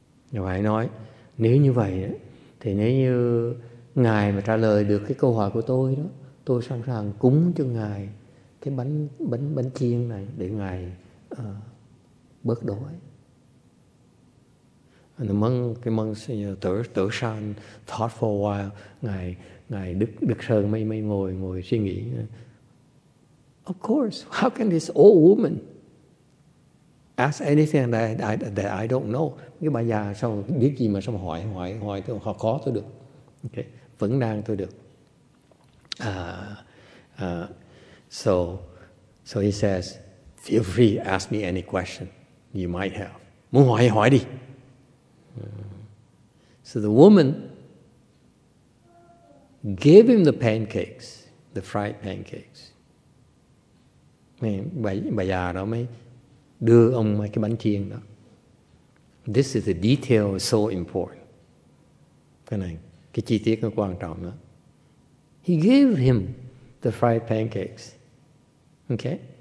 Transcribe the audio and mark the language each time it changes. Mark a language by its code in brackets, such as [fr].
[vi] Và ấy nói, nếu như vậy, thì nếu như Ngài mà trả lời được cái câu hỏi của tôi đó, tôi sẵn sàng cúng cho Ngài cái bánh chiên này để Ngài bớt đói. [en] And the monk, Tử San thought for a while. [vi] Ngài Đức Sơn mới ngồi suy nghĩ. [en] Of course, how can this old woman ask anything that I don't know? [vi] Cái bà già sao biết gì mà sao hỏi tôi, họ khó tôi được. Okay, vẫn đang tôi được. [en] So he says, feel free to ask me any question you might have. [vi] Muốn hỏi hỏi đi. [en] So the woman gave him the pancakes, the fried pancakes. [vi] Bà già đó mới đưa ông mấy cái bánh chiên đó. [en] This is a detail so important. [vi] Cái này, cái chi tiết nó quan trọng đó. [en] He gave him the fried pancakes. Okay?